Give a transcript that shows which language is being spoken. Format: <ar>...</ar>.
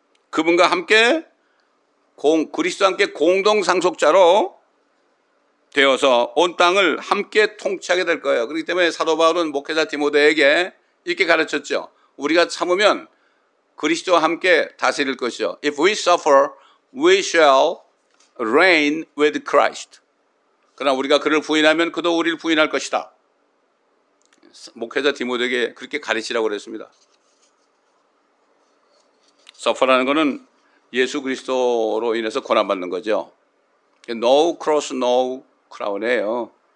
<ko>그분과 함께 그리스도와 함께 공동상속자로 되어서 온 땅을 함께 통치하게 될 거예요. 그렇기 때문에 사도 바울은 목회자 디모데에게 이렇게 가르쳤죠. 우리가 참으면 그리스도와 함께 다스릴 것이요.</ko> <en>If we suffer, we shall reign with Christ.</en> <ko>그러나 우리가 그를 부인하면 그도 우리를 부인할 것이다. 목회자 디모데에게 그렇게 가르치라고 그랬습니다. suffer라는 것은 예수 그리스도로 인해서 고난받는 거죠.</ko> <en>No cross, no crown이에요.</en>